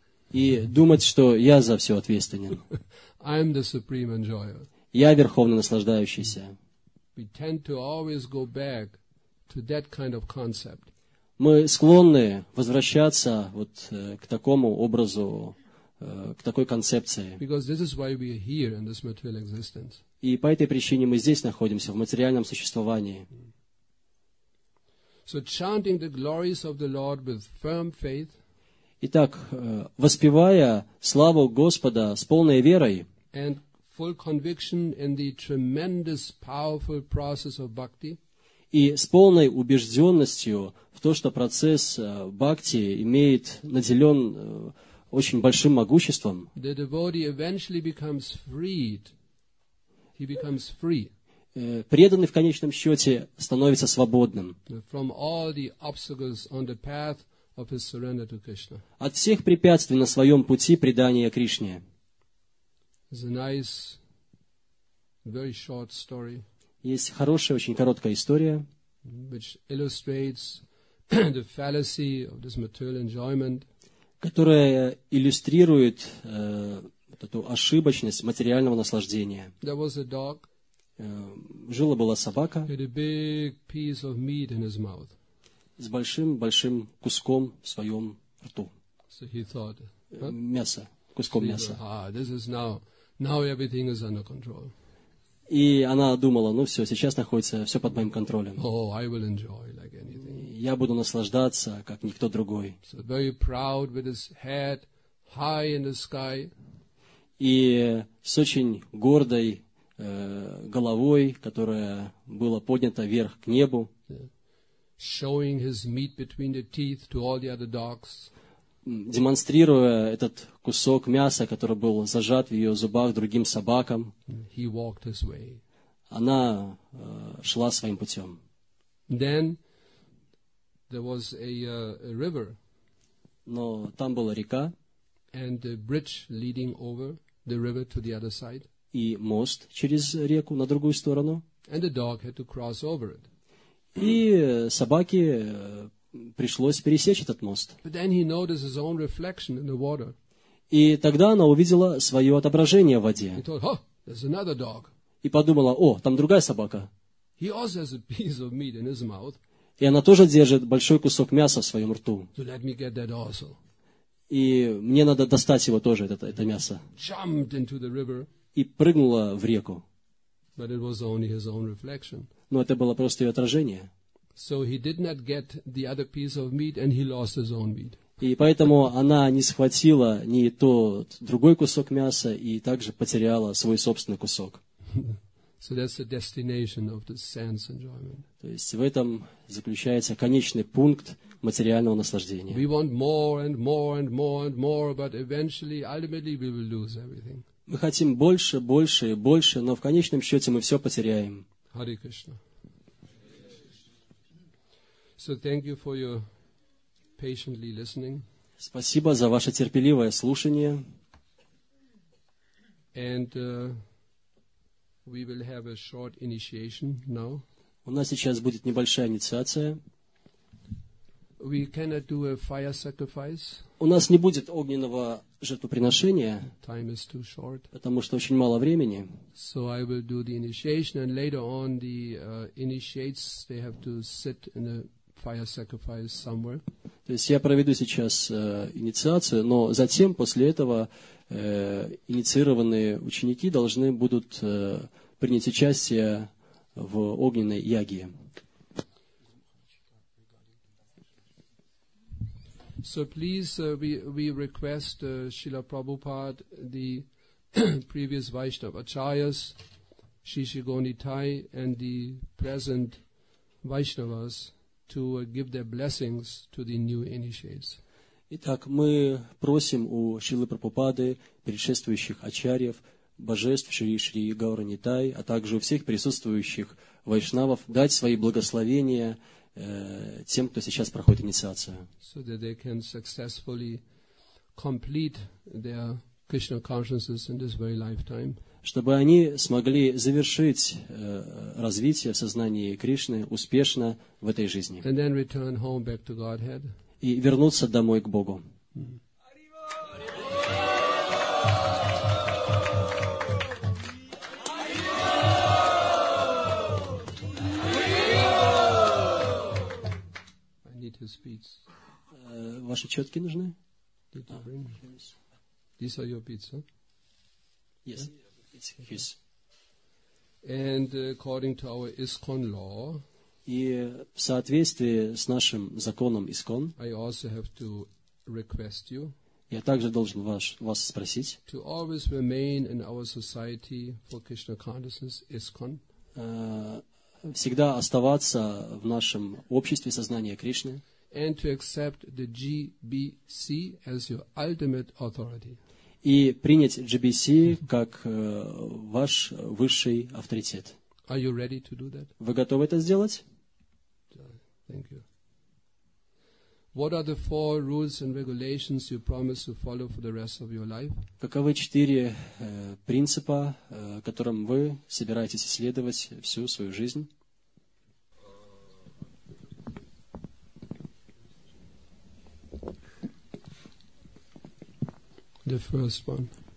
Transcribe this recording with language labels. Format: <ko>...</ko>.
<ru>И думать, что я за все ответственен.</ru> <en>I'm the supreme enjoyer.</en> <ru>Я верховно наслаждающийся.</ru> <en>We tend to always go back to that kind of concept.</en> <ru>Мы склонны возвращаться вот к такому образу, к такой концепции.</ru> <en>Because this is why we are here in this material existence.</en> <ru>И по этой причине мы здесь находимся, в материальном существовании.</ru> <en>So chanting the glories of the Lord with firm faith.</en> <ru>Итак, воспевая славу Господа с полной верой</ru> <en>and full conviction in the tremendous, powerful process of bhakti.</en> <ru>И с полной убежденностью в то, что процесс бхакти имеет наделен очень большим могуществом.</ru> <en>The devotee eventually becomes freed. He becomes free.</en> <ru>Преданный в конечном счете становится свободным.</ru> <en>From all the obstacles on the path of his surrender to Krishna.</en> <ru>От всех препятствий на своем пути предания Кришне.</ru> <en>It's a nice, very short story.</en> <ru>Есть хорошая, очень короткая история,</ru> <en>which illustrates the fallacy of this material enjoyment,</en> <ru>которая иллюстрирует эту ошибочность материального наслаждения.</ru> <en>There was a dog.</en> <ru>Жила-была собака.</ru> <en>He had a big piece of meat in his mouth.</en> <ru>С большим-большим куском в своем рту.</ru> <en>So he thought,</en> <ru>Мясо, куском мяса.</ru> <en>This is now Now everything is under control.</en> <ru>И она думала, ну все, сейчас находится все под моим контролем.</ru> <en>Oh, I will enjoy like anything.</en> <ru>Я буду наслаждаться, как никто другой.</ru> <en>So very proud with his head high in the sky.</en> <ru>И с очень гордой головой, которая была поднята вверх к небу.</ru> <en>Showing his meat between the teeth to all the other dogs.</en> <ru>Демонстрируя этот кусок мяса, который был зажат в ее зубах другим собакам,</ru> <en>he walked his way.</en> <ru>Она шла своим путем.</ru> <en>Then there was a river.</en> <ru>Но там была река.</ru> <en>And the bridge leading over the river to the other side.</en> <ru>И мост через реку на другую сторону.</ru> <en>And the dog had to cross over it.</en> <ru>И собаке пришлось пересечь этот мост.</ru> <en>But then he noticed his own reflection in the water.</en> <ru>И тогда она увидела свое отображение в воде.</ru> <en>He thought, oh, there's another dog.</en> <ru>И подумала, о, там другая собака.</ru> <en>He also has a piece of meat in his mouth.</en> <ru>И она тоже держит большой кусок мяса в своем рту.</ru> <en>So let me get that also.</en> <ru>И мне надо достать его тоже, это мясо.</ru> <en>Jumped into the river.</en> <ru>И прыгнула в реку.</ru> <en>But it was only his own reflection.</en> <ru>Но это было просто ее отражение.</ru> <en>So he did not get the other piece of meat, and he lost his own meat.</en> <ru>И поэтому она не схватила ни тот другой кусок мяса и также потеряла свой собственный кусок.</ru> <en>So that's the destination of the sense enjoyment.</en> <ru>То есть в этом заключается конечный пункт материального наслаждения.</ru> <en>We want more and more and more and more, but eventually, ultimately, we will lose everything.</en> <ru>Мы хотим больше, больше и больше, но в конечном счете мы все потеряем.</ru> <en>Hare Krishna. So thank you for your patiently listening.</en> <ru>Спасибо за ваше терпеливое слушание.</ru> <en>And we will have a short initiation now.</en> <ru>У нас сейчас будет небольшая инициация.</ru> <en>We cannot do a fire sacrifice.</en> <ru>У нас не будет огненного жертвоприношения.</ru> <en>Time is too short.</en> <ru>Потому что очень мало времени.</ru> <en>So I will do the initiation, and later on the initiates they have to sit in a fire sacrifice somewhere.</en> <ru>То есть я проведу сейчас инициацию, но затем после этого инициированные ученики должны будут принять участие в огненной яге.</ru> <en>So please, we request Srila Prabhupada, the previous Vaishnava Acharyas, Shishi Gonitai, and the present Vaishnavas to give their blessings to the new initiates.</en> <ru>Итак, мы просим у Шрилы Прабхупады, предшествующих Ачарьев, Божеств Шри Гауранитай, а также у всех присутствующих Вайшнавов дать свои благословения тем, кто сейчас проходит инициацию.</ru> <en>So that they can successfully complete their Krishna consciousness in this very lifetime.</en> <ru>Чтобы они смогли завершить развитие в сознании Кришны успешно в этой жизни.</ru> <en>And then return home back to Godhead.</en> <ru>И вернуться домой к Богу.</ru> <en>I need his beads.</en> <ru>Ваши четки нужны?</ru> <en>Did you bring this? These are your beads, huh? Yes. Yes. And according to our ISKCON law,</en> <ru>и в соответствии с нашим законом ИСКОН,</ru> <en>I also have to request you,</en> <ru>я также должен вас спросить,</ru> <en>to always remain in our society for Krishna consciousness, ISKCON,</en> <ru>всегда оставаться в нашем обществе сознания Кришны,</ru> <en>and to accept the GBC as your ultimate authority.</en> <ru>И принять GBC как ваш высший авторитет.</ru> <en>Are you ready to do that?</en> <ru>Вы готовы это сделать?</ru> <en>Thank you. What are the four rules and regulations you promise to follow for the rest of your life?</en> <ru>Каковы четыре принципа, которым вы собираетесь исследовать всю свою жизнь?</ru> <en>The first one.</en>